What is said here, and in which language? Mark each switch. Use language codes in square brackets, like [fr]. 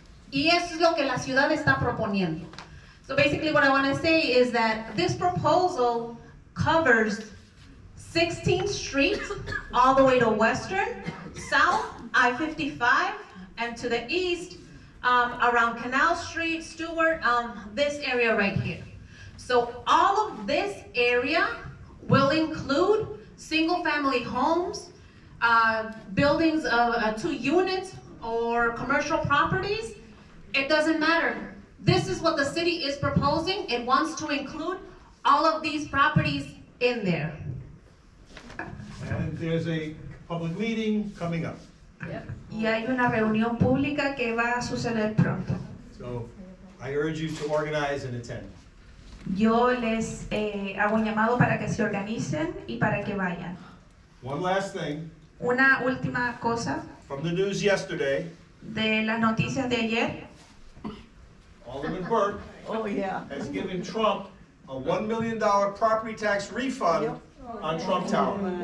[es] Y eso es lo que la ciudad está proponiendo. [en] So basically what I want to say is that this proposal covers 16th Street all the way to Western, South, I-55, and to the east, around Canal Street, Stewart, this area right here. So all of this area will include single family homes, buildings of two units or commercial properties. It doesn't matter. This is what the city is proposing. It wants to include all of these properties in there. And there's a public meeting coming up. [es] Yep. Y hay una reunión pública que va a suceder pronto. [en] So I urge you to organize and attend. [es] Yo les hago un llamado para que se organicen y para que vayan. [en] One last thing. [es] Una última cosa. [en] From the news yesterday. [es] De las noticias de ayer. [en] Alderman Burke has given Trump a $1 million property tax refund on Trump Tower.